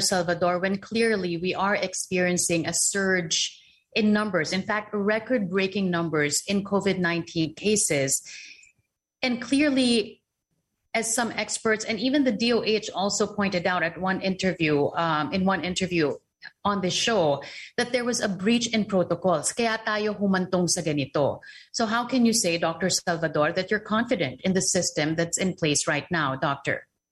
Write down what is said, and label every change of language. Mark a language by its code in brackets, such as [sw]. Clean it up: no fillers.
[en] Salvador, when clearly we are experiencing a surge in numbers, in fact, record-breaking numbers in COVID-19 cases? And clearly, as some experts and even the DOH also pointed out at one interview, in one interview on the show, that there was a breach in protocols. [tl] Kaya tayo humantong sa ganito. [en] So how can you say, Dr. Salvador, that you're confident in the system that's in place right now, doctor?